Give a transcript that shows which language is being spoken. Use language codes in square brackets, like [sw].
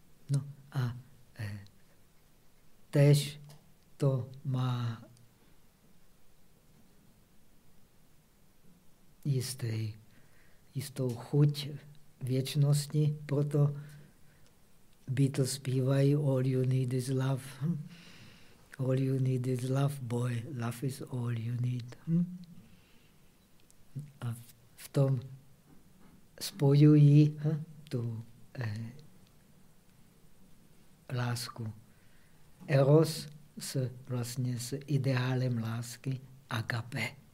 [cs] No a též to má jistou chuť věčnosti, proto Beatles zpívají [en] All you need is love. All you need is love, boy. Love is all you need. [cs] tom spojují tu lásku Eros s, vlastně s ideálem lásky agape.